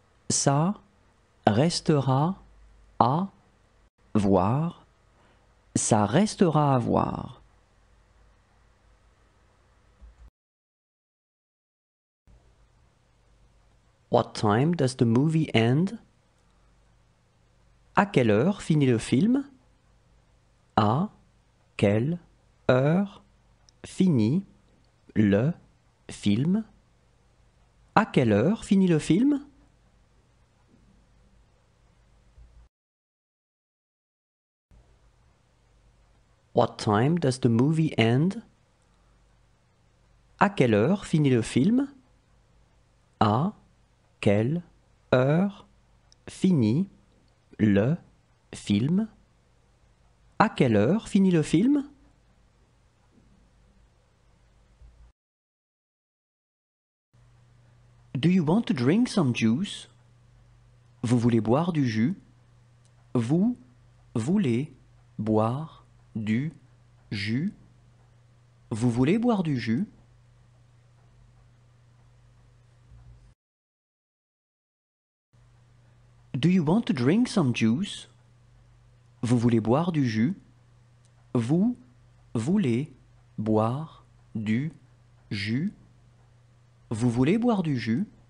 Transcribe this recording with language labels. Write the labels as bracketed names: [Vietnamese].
[French] Ça restera à voir. Ça restera à voir. [English] What time does the movie end? [French] À quelle heure finit le film? À quelle heure finit le film? À quelle heure finit le film? [English] What time does the movie end? [French] À quelle heure finit le film? À quelle heure finit le film? À quelle heure finit le film? [English] Do you want to drink some juice? [French] Vous voulez boire du jus? Vous voulez boire du jus? Vous voulez boire du jus? [English] Do you want to drink some juice? [French] Vous voulez boire du jus? Vous voulez boire du jus? Vous voulez boire du jus?